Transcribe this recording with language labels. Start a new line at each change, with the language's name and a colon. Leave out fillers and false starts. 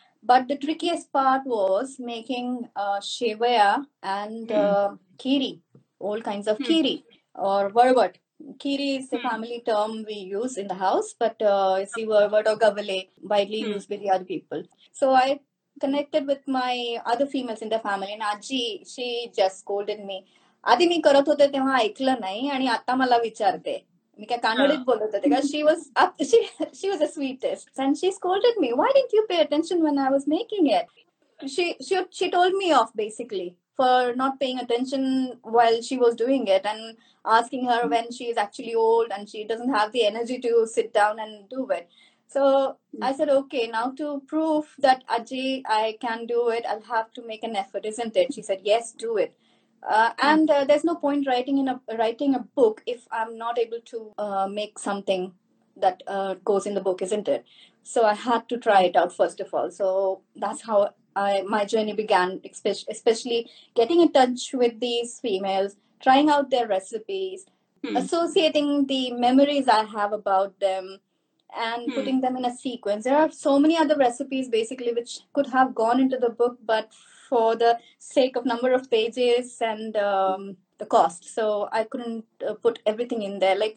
English: But the trickiest part was making shevaya and kheeri, all kinds of kheeri or varvat. Kheeri is the family term we use in the house, but it's the varvat or gavale, widely used by the other people. So I connected with my other females in the family, and Ajji, she just scolded me.
Marathi: आधी मी करत होते तेव्हा ऐकलं नाही आणि आता मला विचारते मी काय कानडीत बोलत होते का
English: she was a sweetest and she scolded me why didn't you pay attention when I was making it she told me off basically for not paying attention while she was doing it and asking her when she is actually old and she doesn't have the energy to sit down and do it so I said okay now to prove that Ajji I can do it I have to make an effort isn't it
Marathi: she sed yes do it
English: and there's no point writing a book if I'm not able to make something that goes in the book, isn't it? So I had to try it out first of all. So that's how my journey began, especially getting in touch with these females, trying out their recipes, associating the memories I have about them, and putting them in a sequence. There are so many other recipes basically which could have gone into the book, but for the sake of number of pages and the cost, so I couldn't put everything in there.